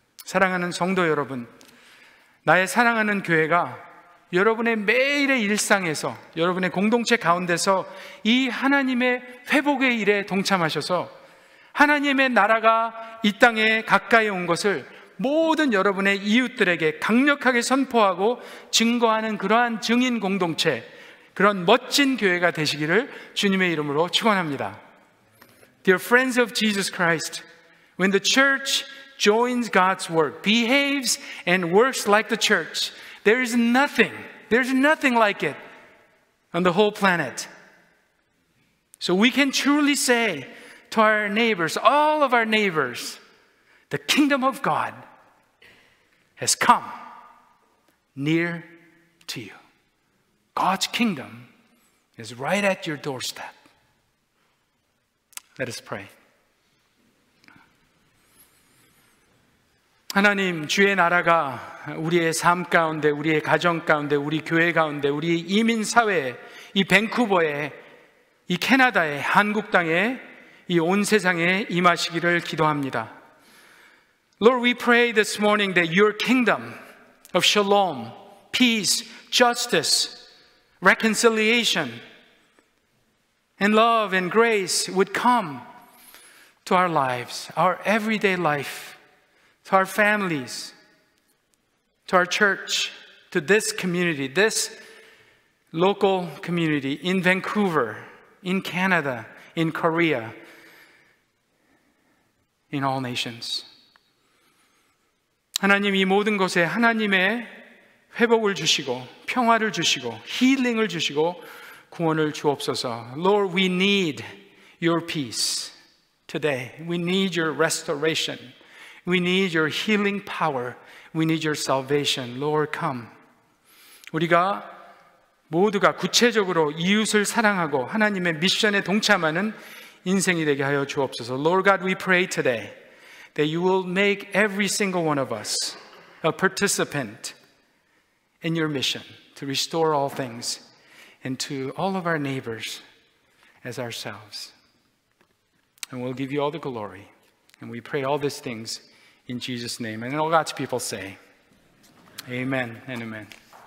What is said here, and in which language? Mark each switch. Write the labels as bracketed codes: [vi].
[ko] 사랑하는 성도 여러분, 나의 사랑하는 교회가 여러분의 매일의 일상에서, 여러분의 공동체 가운데서 이 하나님의 회복의 일에 동참하셔서 하나님의 나라가 이 땅에 가까이 온 것을 모든 여러분의 이웃들에게 강력하게 선포하고 증거하는 그러한 증인 공동체, 그런 멋진 교회가 되시기를 주님의 이름으로 축원합니다. [en] Dear friends of Jesus Christ, when the church joins God's work, behaves and works like the church, there is nothing like it on the whole planet. So we can truly say to our neighbors, all of our neighbors, the kingdom of God has come near to you. God's kingdom is right at your doorstep. Let us pray. [ko] 하나님, 주의 나라가 우리의 삶 가운데, 우리의 가정 가운데, 우리 교회 가운데, 우리 이민 사회에, 이 밴쿠버에, 이 캐나다에, 한국 땅에, 이 온 세상에 임하시기를 기도합니다. [en] Lord, we pray this morning that your kingdom of shalom, peace, justice, reconciliation and love and grace would come to our lives, our everyday life, to our families, to our church, to this community, this local community in Vancouver, in Canada, in Korea, in all nations. [ko] 하나님, 이 모든 곳에 하나님의 회복을 주시고 평화를 주시고 힐링을 주시고 구원을 주옵소서. [en] Lord, we need your peace today. We need your restoration. We need your healing power. We need your salvation. Lord, come. [ko] 우리가 모두가 구체적으로 이웃을 사랑하고 하나님의 미션에 동참하는 인생이 되게 하여 주옵소서. [en] Lord God, we pray today that you will make every single one of us a participant in your mission to restore all things and to all of our neighbors as ourselves. And we'll give you all the glory. And we pray all these things in Jesus' name. And all God's people say, amen and amen.